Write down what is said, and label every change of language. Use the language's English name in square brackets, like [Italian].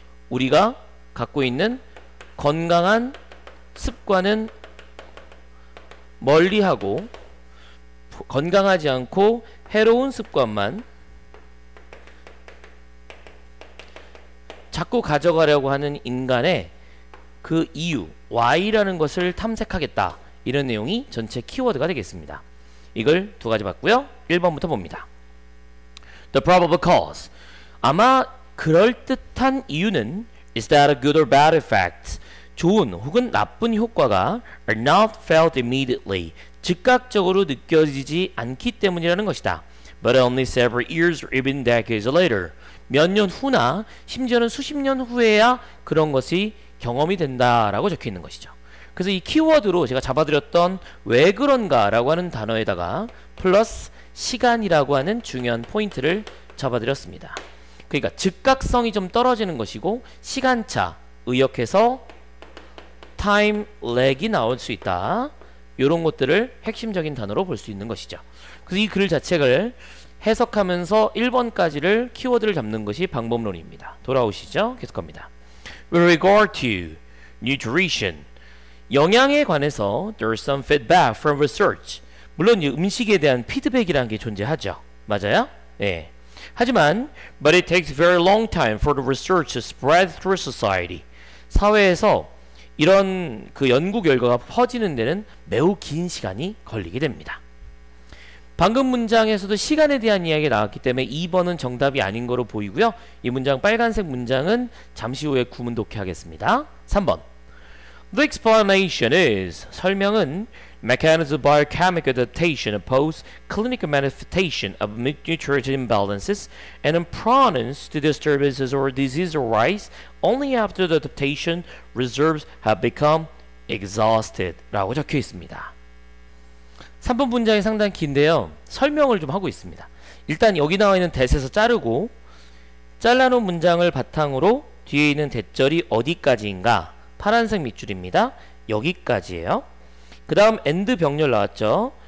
[Korean] 우리가 갖고 있는 건강한 습관은 멀리하고 건강하지 않고 해로운 습관만 자꾸 가져가려고 하는 인간의 그 이유, why라는 것을 탐색하겠다. 이런 내용이 전체 키워드가 되겠습니다. 이걸 두 가지 봤고요. 1번부터 봅니다. [English] The probable cause. [Korean] 아마 그럴듯한 이유는 [English] Is that a good or bad effect? [Korean] 좋은 혹은 나쁜 효과가 [English] are not felt immediately. [Korean] 즉각적으로 느껴지지 않기 때문이라는 것이다. [English] But only several years or even decades later. [Korean] 몇년 후나 심지어는 수십 년 후에야 그런 것이 경험이 된다라고 적혀 있는 것이죠. 그래서 이 키워드로 제가 잡아드렸던 왜 그런가라고 하는 단어에다가 플러스 시간이라고 하는 중요한 포인트를 잡아드렸습니다. 그러니까 즉각성이 좀 떨어지는 것이고 시간차, 의역해서 time lag이 나올 수 있다. 이런 것들을 핵심적인 단어로 볼수 있는 것이죠. 그래서 이글 자체를 해석하면서 1번까지를 키워드를 잡는 것이 방법론입니다. 돌아오시죠. 계속합니다. [English] With regard to nutrition, [Korean] 영양에 관해서 [English] there's some feedback from research. [Korean] 물론 음식에 대한 피드백이라는 게 존재하죠. 맞아요? 예. 하지만 [English] but it takes very long time for the research to spread through society. [Korean] 사회에서 이런 그 연구 결과가 퍼지는 데는 매우 긴 시간이 걸리게 됩니다. 방금 문장에서도 시간에 대한 이야기가 나왔기 때문에 2번은 정답이 아닌 거로 보이고요. 이 문장, 빨간색 문장은 잠시 후에 구문 독해 하겠습니다. 3번. [English] The explanation is, [Korean] 설명은 [English] mechanism of biochemical adaptation oppose clinical manifestation of nutrition imbalances and prone to disturbances or disease arise only after the adaptation reserves have become exhausted [Korean] 라고 적혀 있습니다. 3번 문장이 상당히 긴데요. 설명을 좀 하고 있습니다. 일단 여기 나와 있는 that에서 자르고 잘라놓은 문장을 바탕으로 뒤에 있는 대절이 어디까지인가? 파란색 밑줄입니다. 여기까지예요. 그 다음 end 병렬 나왔죠.